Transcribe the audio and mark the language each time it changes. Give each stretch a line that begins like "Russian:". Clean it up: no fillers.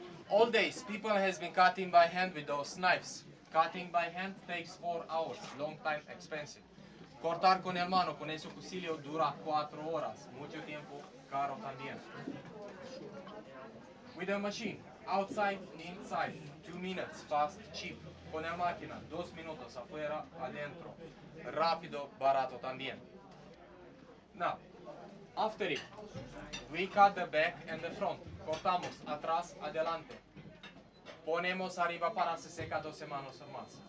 English: All days, people has been cutting by hand with those knives. Cutting by hand takes 4 hours, long time, expensive.
Spanish: Cortar con el mano, con ese cuchillo, dura 4 horas. Mucho tiempo, caro también.
English: With a machine, outside and inside, 2 minutes, fast, cheap.
Spanish: Con la máquina, 2 minutos afuera, adentro. Rápido, barato también.
English: Now, after it, we cut the back and the front.
Spanish: Cortamos atrás, adelante. Ponemos arriba para se seca 2 semanas o más.